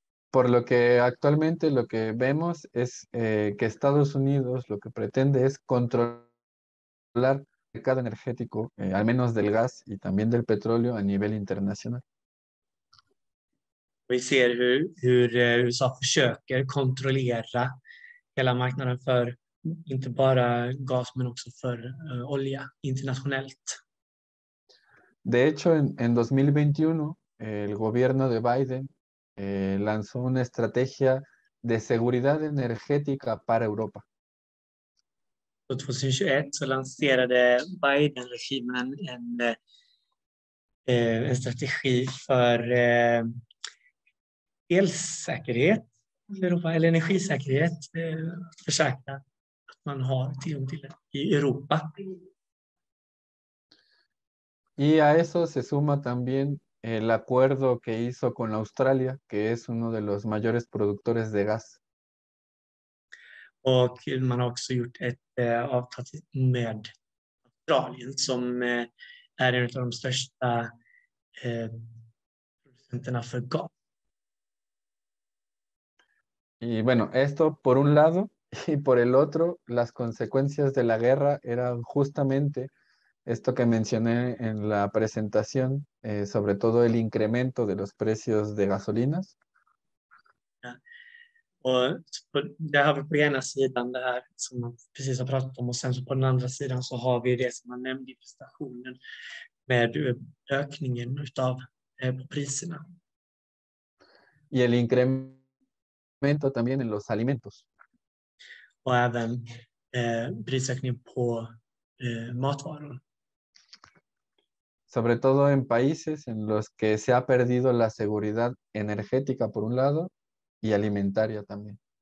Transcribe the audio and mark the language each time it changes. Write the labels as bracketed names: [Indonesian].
[Spanish] Por lo que actualmente lo que vemos es que Estados Unidos lo que pretende es controlar mercado energético, al menos del gas y también del petróleo a nivel internacional. [Swedish] Vi ser hur USA försöker kontrollera hela marknaden för inte bara gas men också för olja internationellt. [Spanish] De hecho, en 2021 el gobierno de Biden lanzó una estrategia de seguridad energética para Europa. [Swedish] 2021 så lanserade Biden-regimen en strategi för elsäkerhet i Europa, eller energisäkerhet, försäkra att man har tillgång till det i Europa. [Spanish] Y a eso se suma también el acuerdo que hizo con Australia, que es uno de los mayores productores de gas. [Swedish] Och man har också gjort ett avtal med Australien som är en av de största producenterna för gas. [Spanish] Y bueno, esto por un lado y por el otro, las consecuencias de la guerra eran justamente esto que mencioné en la presentación, sobre todo el incremento de los precios de gasolinas. [Swedish] Det har vi på ena sidan det här som man precis har pratat om och sen så på den andra sidan så har vi det som man nämnde i presentationen med ökningen utav priserna. [Spanish] Y el incremento también en los alimentos. [Swedish] Och även prisökningen på matvaror. [Spanish] Sobre todo en países en los que se ha perdido la seguridad energética por un lado y alimentaria también.